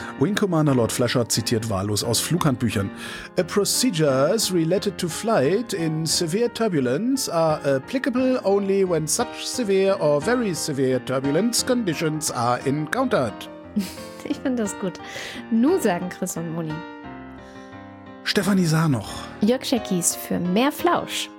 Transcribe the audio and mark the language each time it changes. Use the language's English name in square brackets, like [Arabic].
[German] Wing Commander Lord Flasher zitiert wahllos aus Flughandbüchern. [English] A procedure is related to flight in severe turbulence are applicable only when such severe or very severe turbulence conditions are encountered. [German] Ich finde das gut. Nur sagen Chris und Moni. Stefanie Sarnoch. Jörg Schäckis für Mehr Flausch.